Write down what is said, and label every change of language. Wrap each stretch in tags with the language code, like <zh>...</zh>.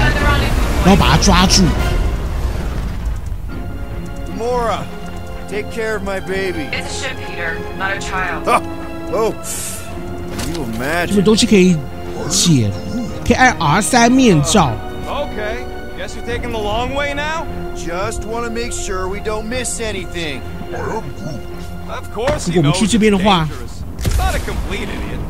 <zh>因为德克斯跟葛摩拉是绿色，他们是绿队，他们皮肤是绿色的。好帅！那我们就要放置一些机器，吸引怪出来，然后把它抓住。</zh> <en>Take care of my baby. It's a ship, Peter, not a child. Oh, you imagine.</en> <zh>这个东西可以解，可以按R3面罩。</zh> <en>Okay, guess you're taking the long way now. Just want to make sure we don't miss anything. Of course.</en> <zh>如果我们去这边的话，</zh> <en>not a complete idiot.</en>